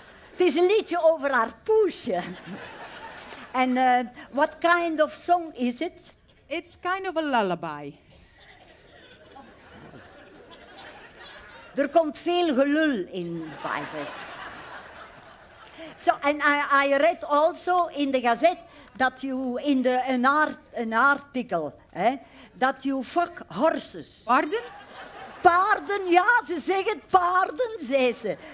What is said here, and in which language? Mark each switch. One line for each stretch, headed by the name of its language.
Dutch: Het is een liedje over haar poesje.
English: En what kind of song is it? It's kind of a lullaby.
Dutch: Er komt veel gelul in de Bijbel.
English: So, and I read also in the gazette that you in the an article, that you fuck horses. Pardon?
Dutch: Paarden, ja, ze zeggen paarden, zei ze.